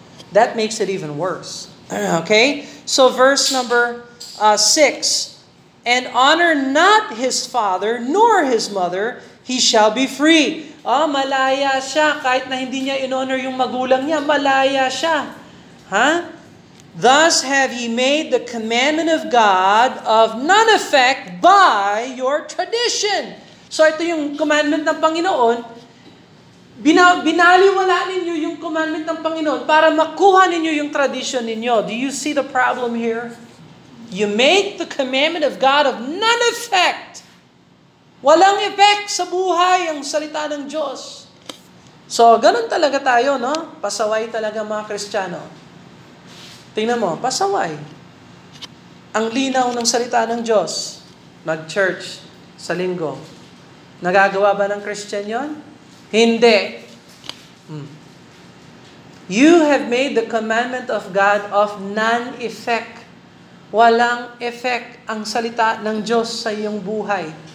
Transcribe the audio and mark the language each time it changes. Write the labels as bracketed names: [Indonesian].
[English] That makes it even worse. Okay? So verse number 6. And honor not his father nor his mother, he shall be free. [Filipino] Oh, malaya siya. Kahit na hindi niya in-honor yung magulang niya, malaya siya. Huh? [English] Thus have ye made the commandment of God of none effect by your tradition. [Filipino] So ito yung commandment ng Panginoon. Binaliwala ninyo yung commandment ng Panginoon para makuha ninyo yung tradition ninyo. [English] Do you see the problem here? You make the commandment of God of none effect. [Filipino] Walang effect sa buhay ang salita ng Diyos. So, ganun talaga tayo, no? Pasaway talaga mga Kristiyano. Tingnan mo, pasaway. Ang linaw ng salita ng Diyos, mag-church sa linggo. Nagagawa ba ng Christian yon? Hindi. [English] You have made the commandment of God of none effect. [Filipino] Walang effect ang salita ng Diyos sa iyong buhay.